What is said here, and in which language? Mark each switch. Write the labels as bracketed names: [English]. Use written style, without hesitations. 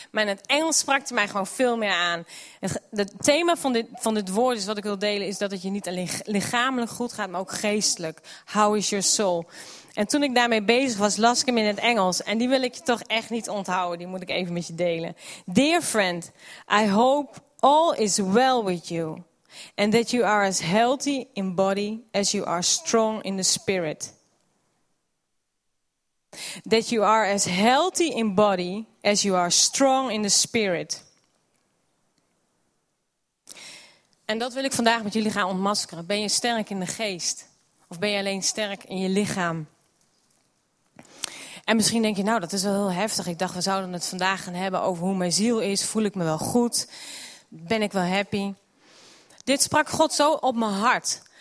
[Dutch] Maar in het Engels sprak het mij gewoon veel meer aan. Het thema van dit woord is wat ik wil delen, is dat het je niet alleen lichamelijk goed gaat, maar ook geestelijk. [English] How is your soul? [Dutch] En toen ik daarmee bezig was, las ik hem in het Engels. En die wil ik je toch echt niet onthouden. Die moet ik even met je delen. [English] Dear friend, I hope all is well with you. And that you are as healthy in body as you are strong in the spirit. That you are as healthy in body as you are strong in the spirit. [Dutch] En dat wil ik vandaag met jullie gaan ontmaskeren. Ben je sterk in de geest? Of ben je alleen sterk in je lichaam? En misschien denk je, nou, dat is wel heel heftig. Ik dacht, we zouden het vandaag gaan hebben over hoe mijn ziel is. Voel ik me wel goed? Ben ik wel happy? Dit sprak God zo op mijn hart.